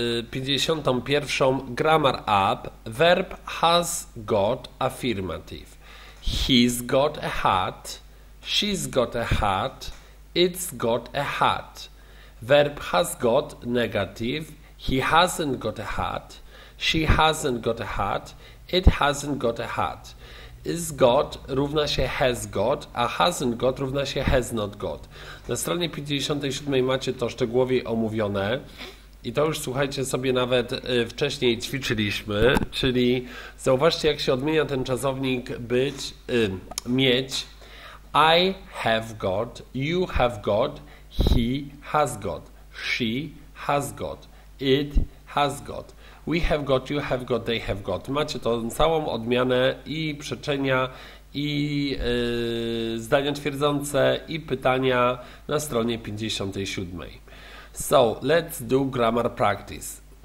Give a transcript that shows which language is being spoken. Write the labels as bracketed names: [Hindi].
[English] 51 Grammar App, verb has got affirmative, he's got a hat, she's got a hat, it's got a hat, verb has got negative, he hasn't got a hat, she hasn't got a hat, it hasn't got a hat. [Polish] Is got równa się has got, a hasn't got równa się has not got. Na stronie 57 macie to szczegółowo omówione i to już słuchajcie sobie nawet wcześniej ćwiczyliśmy, czyli zauważcie jak się odmienia ten czasownik być, mieć. [English] I have got, you have got, he has got, she has got, it has got. We have got, you have got, they have got. [Polish] Macie tą całą odmianę i przeczenia, i zdania twierdzące, i pytania na stronie 57. [English] So, let's do grammar practice.